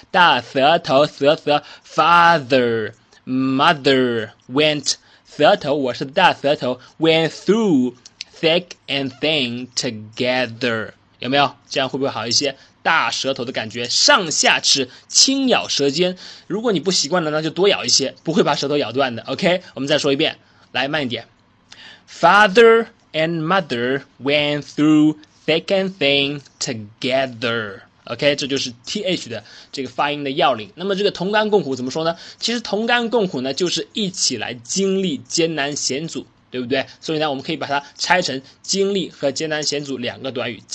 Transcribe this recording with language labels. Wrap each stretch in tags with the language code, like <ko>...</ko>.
<zh>大舌头，father。</zh> <en>Mother went</en> <zh>舌头，我是大舌头。</zh> <en>Went through thick and thin together，</en> <zh>有没有？这样会不会好一些？大舌头的感觉，上下齿轻咬舌尖。如果你不习惯了，那就多咬一些，不会把舌头咬断的。OK，我们再说一遍，来慢一点。</zh> <en>Father and mother went through thick and thin together。</en> <zh>OK，这就是 TH 的这个发音的要领。那么这个同甘共苦怎么说呢？其实同甘共苦呢，就是一起来经历艰难险阻，对不对？所以呢，我们可以把它拆成经历和艰难险阻两个短语。</zh>